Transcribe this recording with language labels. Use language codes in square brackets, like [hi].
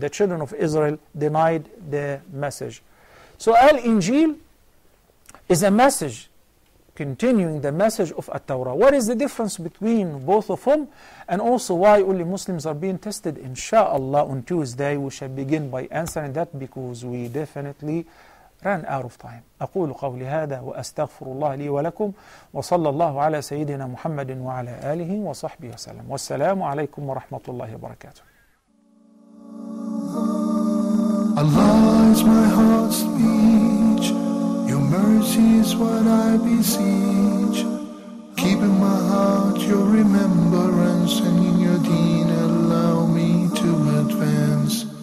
[en] The children of Israel denied the message. So Al-Injil is a message, continuing the message of At-Tawrah. What is the difference between both of them? And also why only Muslims are being tested? Inshallah, on Tuesday, we shall begin by answering that, because we definitely ran out of time. [ar] أقول قولي هذا وأستغفر الله لي ولكم وصلى الله على سيدنا محمد وعلى آله وصحبه وسلم. والسلام عليكم ورحمة الله وبركاته. [en] Allah is my heart's speech. Your mercy is what I beseech. Keep in my heart your remembrance, and in your deen allow me to advance.